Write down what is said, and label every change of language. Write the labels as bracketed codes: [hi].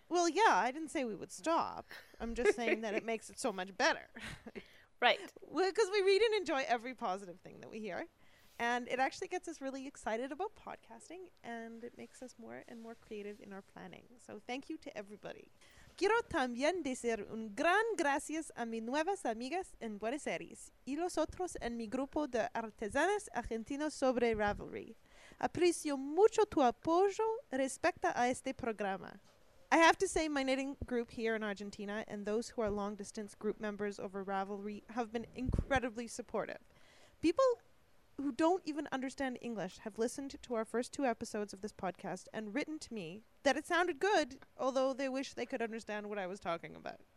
[en] Well, yeah, I didn't say we would stop. I'm just saying that it makes it so much better. Right. Because we read and enjoy every positive thing that we hear. And it actually gets us really excited about podcasting, and it makes us more and more creative in our planning. So thank you to everybody. [es] Quiero también decir un gran gracias a mis nuevas amigas en Buenos Aires y los otros en mi grupo de artesanas argentinos sobre Ravelry. Aprecio mucho tu apoyo respecto a este programa. [en] I have to say my knitting group here in Argentina and those who are long-distance group members over Ravelry have been incredibly supportive. People who don't even understand English have listened to our first two episodes of this podcast and written to me that it sounded good, although they wish they could understand what I was talking about.